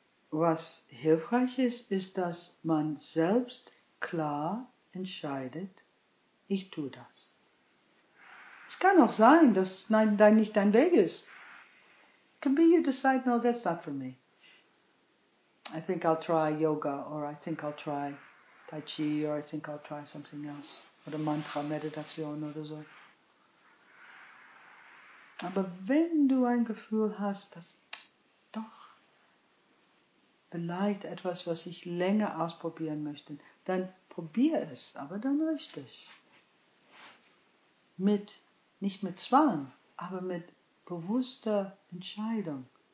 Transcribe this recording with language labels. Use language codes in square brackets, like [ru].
[de] Was hilfreich ist, ist, dass man selbst klar entscheidet, ich tue das. Es kann auch sein, dass dein nicht dein Weg ist. [en] It can be you decide, no, that's not for me. I think I'll try yoga, or I think I'll try Tai Chi, or I think I'll try something else. [de] Oder Mantra, Meditation oder so. Aber wenn du ein Gefühl hast, dass doch vielleicht etwas, was ich länger ausprobieren möchte, dann probier es, aber dann richtig. Nicht mit Zwang, aber mit bewusster Entscheidung.